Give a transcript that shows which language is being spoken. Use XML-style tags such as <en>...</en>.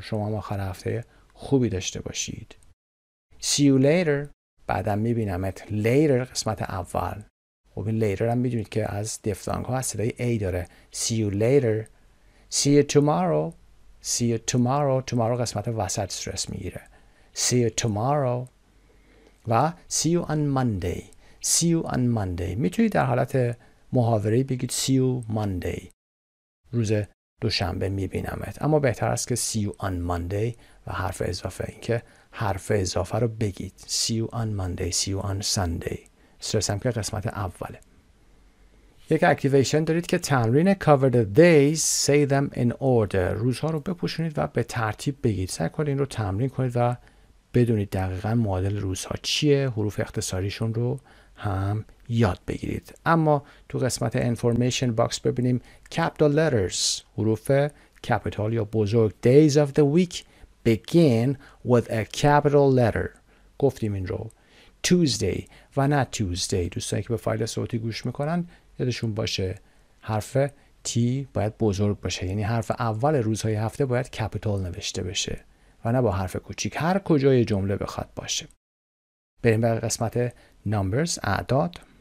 <fa>شما هم آخر هفته خوبی داشته باشید.</fa> <en>See you later.</en> <fa>بعدم میبینمت. Later قسمت اول. خب این later هم میدونید که از دفتانگ ها از صدای A داره.</fa> <en>See you later. See you tomorrow. See you tomorrow.</en> <fa>Tomorrow قسمت وسط استرس میگیره.</fa> <en>See you tomorrow و see you on Monday. See you on Monday.</en> <fa>میتونید در حالت محاوره‌ای بگید</fa> <en>see you Monday.</en> <fa>روز دوشنبه میبینمت. اما بهتر است که</fa> <en>see you on Monday</en> <fa>و حرف اضافه، این که حرف اضافه رو بگید.</fa> <en>See you on Monday. See you on Sunday.</en> <fa>استرسم که قسمت اوله. یک اکتیویشن دارید که تمرین cover the days.</fa> <en>Say them in order.</en> <fa>روزها رو بپوشونید و به ترتیب بگید. سعی کنید این رو تمرین کنید و بدونید دقیقاً معادل روزها چیه، حروف اختصاریشون رو هم یاد بگیرید. اما تو قسمت information box ببینیم capital letters، حروف capital یا بزرگ.</fa> <en>Days of the week begin with a capital letter.</en> <fa>گفتیم این رو. Tuesday و نه Tuesday. دوستانی که به فایل صوتی گوش میکنن یادشون باشه حرف T باید بزرگ باشه، یعنی حرف اول روزهای هفته باید capital نوشته بشه. و نه با حرف کوچیک، هر کجای جمله بخواد باشه. بریم به قسمت numbers، اعداد.</fa>